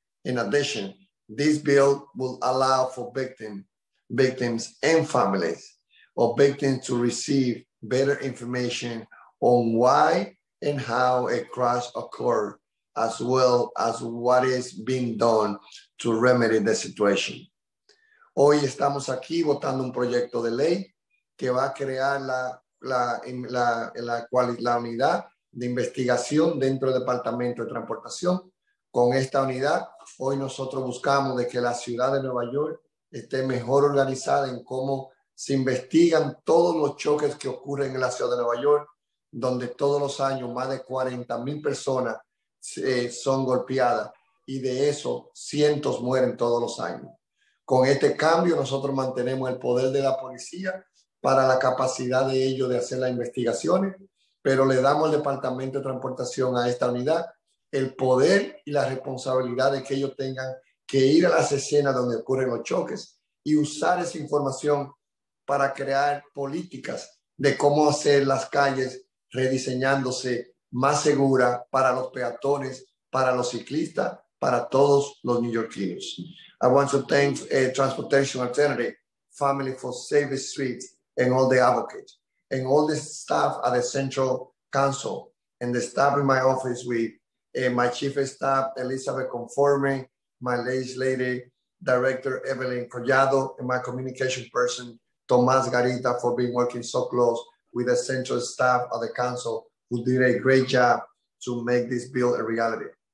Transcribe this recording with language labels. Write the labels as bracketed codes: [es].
[en] In addition, this bill will allow for victims and families of victims to receive better information on why and how a crash occurred, as well as what is being done to remedy the situation. [es] Hoy estamos aquí votando un proyecto de ley que va a crear la unidad de investigación dentro del Departamento de Transportación. Con esta unidad, hoy nosotros buscamos de que la ciudad de Nueva York esté mejor organizada en cómo se investigan todos los choques que ocurren en la ciudad de Nueva York, donde todos los años más de 40,000 personas son golpeadas y de eso cientos mueren todos los años. Con este cambio, nosotros mantenemos el poder de la policía para la capacidad de ellos de hacer las investigaciones, pero le damos al Departamento de Transportación a esta unidad el poder y la responsabilidad de que ellos tengan que ir a las escenas donde ocurren los choques y usar esa información para crear políticas de cómo hacer las calles rediseñándose más segura para los peatones, para los ciclistas, para todos los neoyorquinos. [en] I want to thank Transportation Alternative, Family for Safe Streets, and all the advocates, and all the staff at the Central Council, and the staff in my office with my chief of staff, Elizabeth Conforme, my legislative director, Evelyn Collado, and my communication person, Tomas Garita, for being working so close with the central staff of the council, who did a great job to make this bill a reality.